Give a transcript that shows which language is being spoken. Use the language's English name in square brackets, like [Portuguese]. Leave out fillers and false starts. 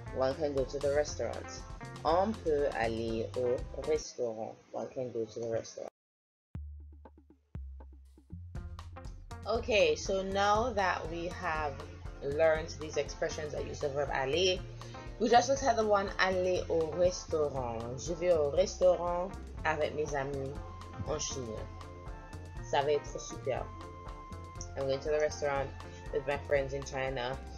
[English] One can go to the restaurant. [French] On peut aller au restaurant. [English] One can go to the restaurant. Okay, so now that we have learned these expressions that use the verb aller, we just looked at the one [French] aller au restaurant. Je vais au restaurant avec mes amis en Chine. Ça va être super. [English] I'm going to the restaurant with my friends in China.